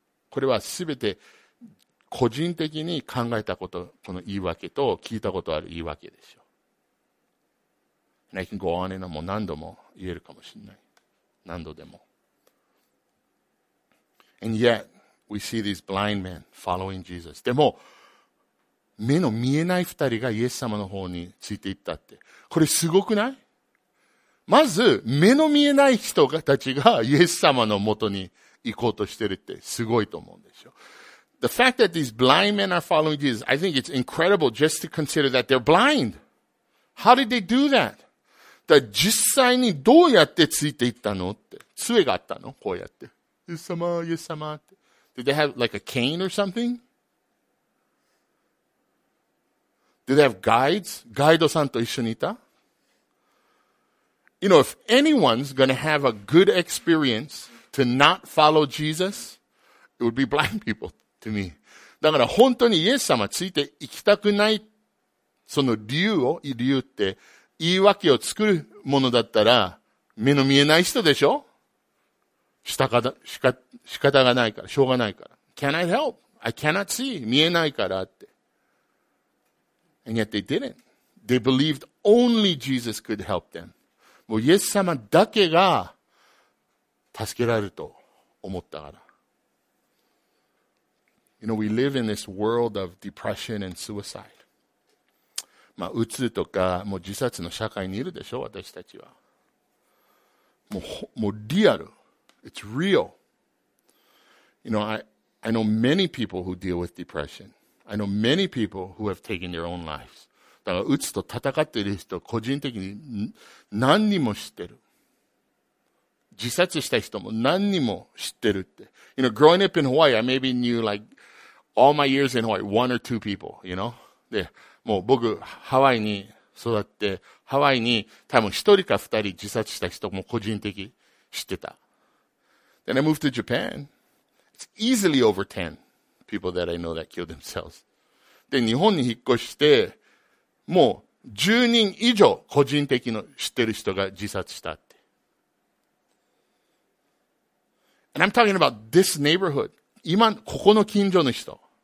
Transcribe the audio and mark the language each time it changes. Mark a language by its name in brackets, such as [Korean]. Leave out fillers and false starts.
[Japanese] これはすべて個人的に考えたこと、この言い訳と聞いたことある言い訳でしょう。 [English] And I can go on and on. [Japanese] もう何度も言えるかもしれない。何度でも。 [English] And yet, we see these blind men following Jesus. [Japanese] でも、目の見えない二人がイエス様の方についていったって。これすごくない？まず、目の見えない人たちがイエス様のもとに行こうとしてるってすごいと思うんですよ。 [English] The fact that these blind men are following Jesus, I think it's incredible just to consider that they're blind. How did they do that? [Japanese] だ実際にどうやってついていったのって。杖があったのこうやって。イエス様、イエス様って。 [English] Did they have like a cane or something? Did they have guides? [Japanese] ガイドさんと一緒にいた？ [English] You know, if anyone's going to have a good experience to not follow Jesus, it would be blind people to me. [Japanese] だから本当にイエス様ついて行きたくないその理由って言い訳を作るものだったら目の見えない人でしょ？仕方がないから、しょうがないから。 [English] Can I help? I cannot see. [Japanese] 見えないからって。 [English] And yet they didn't. They believed only Jesus could help them. [Japanese] もうイエス様だけが助けられると思ったから。 [English] You know, we live in this world of depression and suicide. [Japanese] まあ、うつとか、もう自殺の社会にいるでしょ、私たちは。もうリアル。 [English] It's real. You know, I know many people who deal with depression. I know many people who have taken their own lives. [Japanese] だから、うつと戦っている人、個人的に何人も知ってる。自殺した人も何人も知ってるって。 [English] You know, growing up in Hawaii, I maybe knew like all my years in Hawaii, one or two people, you know? [Japanese] で、もう僕、ハワイに育って、ハワイに多分一人か二人自殺した人も個人的知ってた。 [English] Then I moved to Japan. It's easily over 10 people that I know that killed themselves. [Japanese] で、日本に引っ越して、もう10人以上個人的の知ってる人が自殺したって。 [English] And I'm talking about this neighborhood. [Japanese] 今、ここの近所の人。